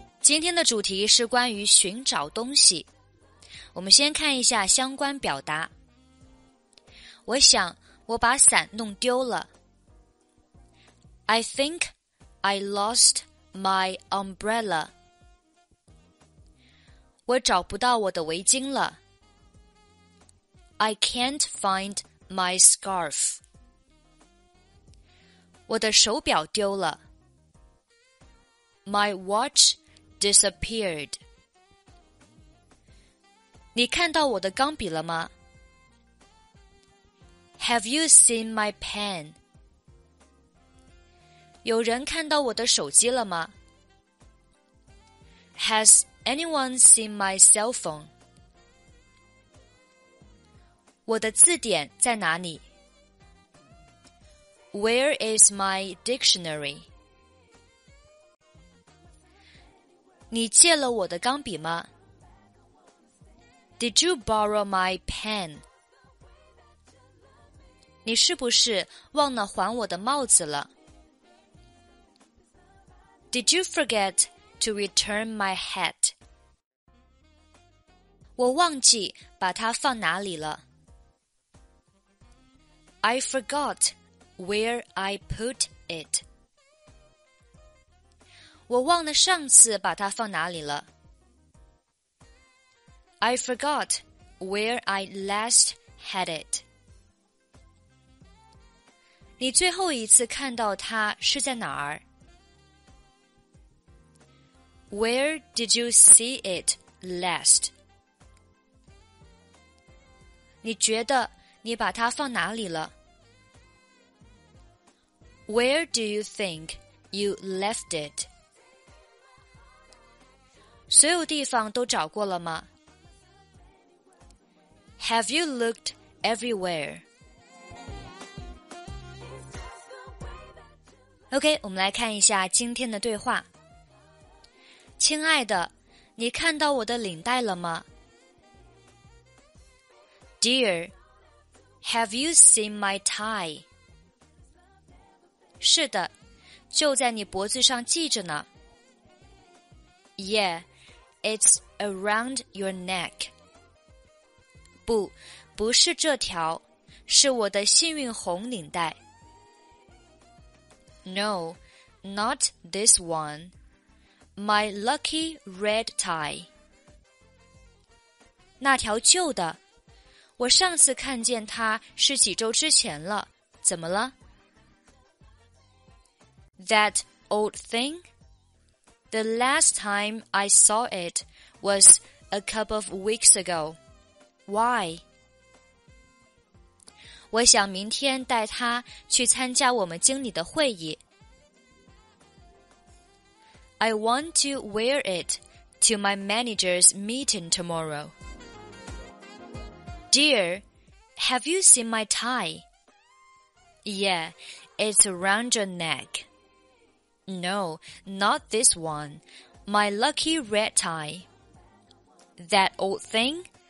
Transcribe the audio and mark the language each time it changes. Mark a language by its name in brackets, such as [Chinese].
[Chinese] 今天的主题是关于寻找东西。我们先看一下相关表达。我想我把伞弄丢了。 [English] I think I lost my umbrella. [Chinese] 我找不到我的围巾了。 [English] I can't find my scarf. [Chinese] 我的手表丢了。 [English] My watch disappeared. [Chinese] 你看到我的钢笔了吗？ [English] Have you seen my pen? [Chinese] 有人看到我的手机了吗？ [English] Has anyone seen my cell phone? [Chinese] 我的字典在哪里？ [English] Where is my dictionary? [Chinese] 你借了我的钢笔吗？ [English] Did you borrow my pen? [Chinese] 你是不是忘了还我的帽子了？ [English] Did you forget to return my hat? [Chinese] 我忘记把它放哪里了。 [English] I forgot where I put it. [Chinese] 我忘了上次把它放哪里了。 [English] I forgot where I last had it. [Chinese] 你最后一次看到它是在哪儿？ [English] Where did you see it last? [Chinese] 你觉得你把它放哪里了？ [English] Where do you think you left it? [Chinese] 所有地方都找过了吗？ [English] Have you looked everywhere? [Chinese] OK, 我们来看一下今天的对话。亲爱的，你看到我的领带了吗？ [English] Dear, have you seen my tie? [Chinese] 是的，就在你脖子上系着呢。 [English] Yeah, it's around your neck. [Chinese] 不，不是这条，是我的幸运红领带。 [English] No, not this one. My lucky red tie. [Chinese] 那条旧的，我上次看见它是几周之前了，怎么了？ [English] That old thing? The last time I saw it was a couple of weeks ago. Why? [Chinese] 我想明天带他去参加我们经理的会议。 [English] I want to wear it to my manager's meeting tomorrow. Dear, have you seen my tie? Yeah, it's around your neck. No, not this one. My lucky red tie. That old thing?